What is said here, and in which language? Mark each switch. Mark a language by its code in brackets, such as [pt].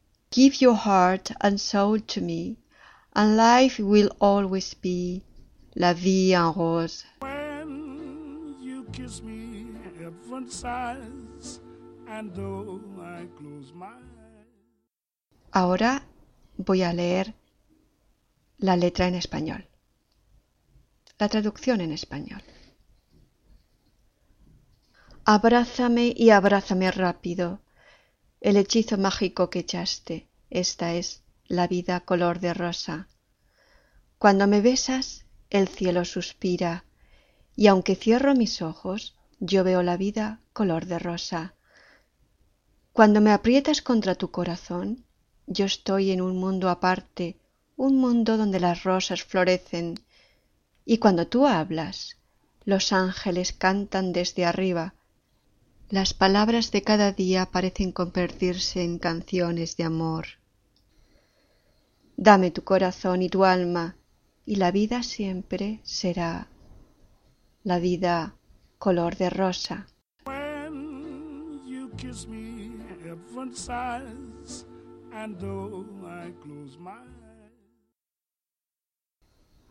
[en] Give your heart and soul to me, and life will always be la vie en rose. When you kiss me, heaven sighs, and though I close my eyes. [es] Ahora voy a leer la letra en español. La traducción en español. Abrázame y abrázame rápido, el hechizo mágico que echaste, esta es la vida color de rosa. Cuando me besas, el cielo suspira, y aunque cierro mis ojos, yo veo la vida color de rosa. Cuando me aprietas contra tu corazón, yo estoy en un mundo aparte, un mundo donde las rosas florecen, y cuando tú hablas, los ángeles cantan desde arriba. Las palabras de cada día parecen convertirse en canciones de amor. Dame tu corazón y tu alma, y la vida siempre será la vida color de rosa. [en] When you kiss me, heaven sighs, and though I close my eyes.